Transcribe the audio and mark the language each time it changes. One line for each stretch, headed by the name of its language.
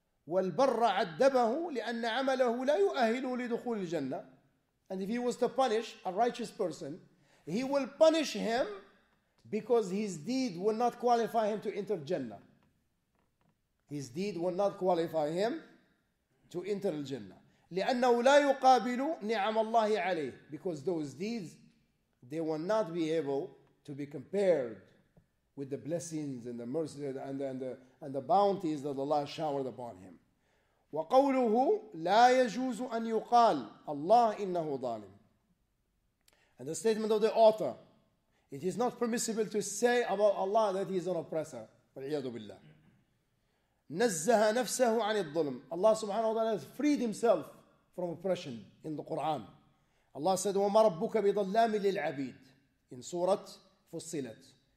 Arabic: لأن عمله لا يؤهل لدخول الجنة
English: and if he was to punish a righteous person he will punish him because his deed will not qualify him to enter Jannah his deed will not qualify him to enter al-Jannah.
Arabic: لأنه لا يقابل نعم الله عليه
English: because those deeds, they will not be able to be compared with the blessings and the mercy and the bounties that Allah showered upon him.
Arabic: وقوله لا يجوز أن يقال الله إنه ظالم.
English: And the statement of the author, it is not permissible to say about Allah that he is an oppressor.
Arabic: والعياذ بالله. نزه نفسه عن الظلم.
English: Allah subhanahu wa ta'ala has freed himself from oppression in the Quran. Allah said,
Arabic: وَمَا رَبُّكَ بِضَلَّامٍ لِلْعَبِيدِ
English: in Surah Fussilat.